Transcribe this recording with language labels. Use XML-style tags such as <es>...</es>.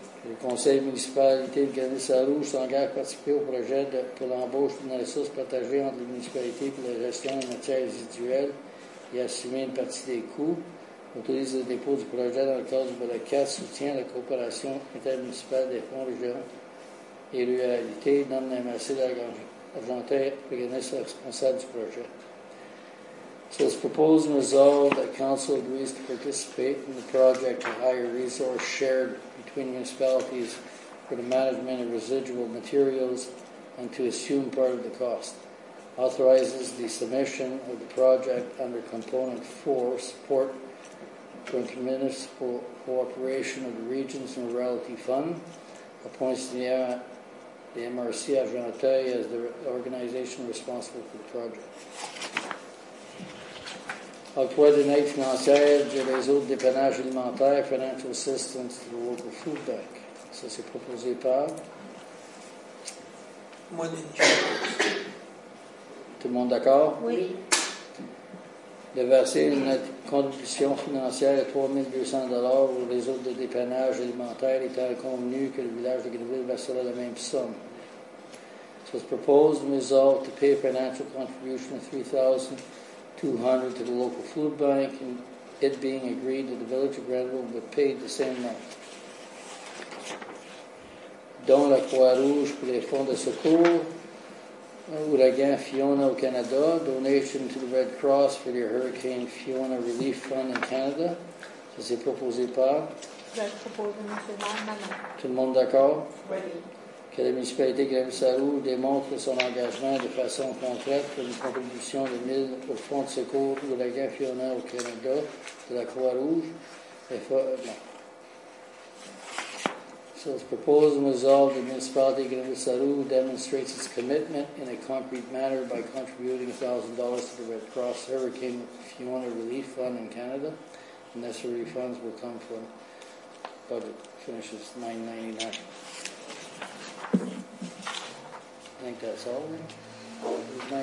<fr>Le conseil municipalité de Gagné-Sarrou s'engage à participer au projet pour l'embauche d'une ressource partagée entre les municipalités pour la gestion des matières résiduelles et assumer une partie des coûts. Autorise le dépôt du projet dans le cadre du volet 4, soutient la coopération intermunicipale des fonds régionaux et ruralité, nomme la MRC d'Argentin, organisme responsable du projet.</fr> <en>So it's proposed and resolved that council agrees to participate in the project to hire resource shared between municipalities for the management of residual materials and to assume part of the cost. Authorizes the submission of the project under component 4, support for intermunicipal cooperation of the Regions and Rurality Fund, appoints the MRC Argentin as the organization responsible for the project.</en> <fr>Octroi d'une aide financière du réseau de dépannage alimentaire,</fr> <en>Financial Assistance to the Local Food Bank.</en> <fr>Ça, c'est proposé par. Moi, d'une tout le monde d'accord? Oui. De verser une contribution financière de 3 200 $ au réseau de dépannage alimentaire étant convenu que le village de Greville versera la même somme.</fr> <en>So it's proposed and resolved to pay a financial contribution of $3,200 to the local food bank, and it being agreed that the village of Greville would pay the same amount.</en> <fr>Dont la Croix-Rouge pour les fonds de secours. Ouragan Fiona au Canada,</fr> <en>donation to the Red Cross for the Hurricane Fiona Relief Fund in Canada.</en> <fr>Ça, c'est proposé par. Tout le monde d'accord? Oui. Que la municipalité Grève-Sarrou démontre son engagement de façon concrète pour une contribution de 1 000 au Fonds de secours Ouragan Fiona au Canada de la Croix-Rouge.</fr> <en>So it's proposed and resolved the municipality of Greville-Sarrou demonstrates its commitment in a concrete manner by contributing $1,000 to the Red Cross Hurricane Fiona Relief Fund in Canada. The necessary funds will come from budget finishes $9.99. I think that's all.</en>